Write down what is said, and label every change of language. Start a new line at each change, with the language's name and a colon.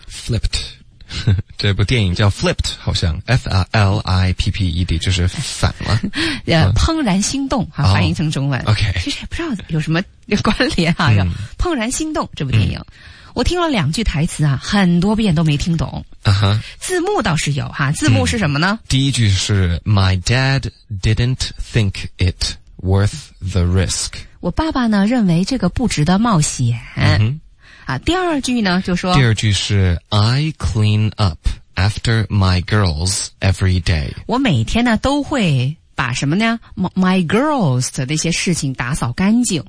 Chinese: Flipped。 这部电影叫 Flipped， 好像 F-L-I-P-P-E-D， 就是反了。怦然心动哈，翻译成中文。
English: Oh, OK，
Chinese: 其实也不知道有什么关联哈、啊。怦然心动这部电影、我听了两句台词啊，很多遍都没听懂。字幕倒是有哈、字幕是什么呢？第一句是
English: My dad didn't think it worth the risk。
Chinese: 我爸爸呢认为这个不值得冒险。啊，第二句呢就说，第二句是
English: I clean up after my girls every day，
Chinese: 我每天呢都会把什么呢
English: my girls
Chinese: 的那些事情打扫干净。